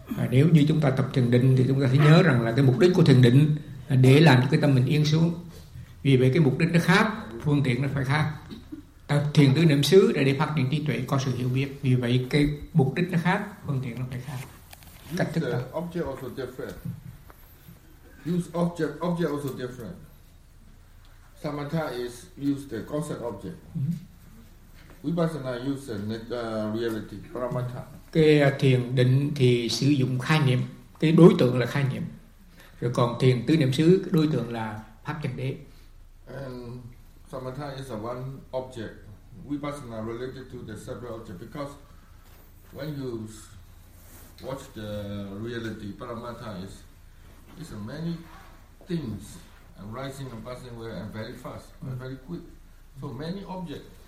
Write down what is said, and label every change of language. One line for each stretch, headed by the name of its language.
Vietnamese: Nếu như chúng ta tập thiền định thì chúng ta phải nhớ rằng là cái mục đích của thiền định là để làm cho cái tâm mình yên xuống. Vì vậy cái mục đích nó khác, phương tiện nó phải khác. Thiền tứ niệm xứ để phát triển trí tuệ, có sự hiểu biết. Vì vậy cái mục đích nó khác, phương tiện nó phải khác. Cách thức đó.
English: Object also different. Use object, object also different. Samatha is use the concept object. Vipassana use the reality, paramattha.
Vietnamese: Cái thiền định thì sử dụng khái niệm, cái đối tượng là khái niệm. Rồi còn thiền tứ niệm xứ, đối tượng là pháp chân đế.
English: And samatha is a one object. Vipassana related to the separate object, because when you watch the reality, paramattha is a many things arising and passing away and very fast, and very quick. So many objects.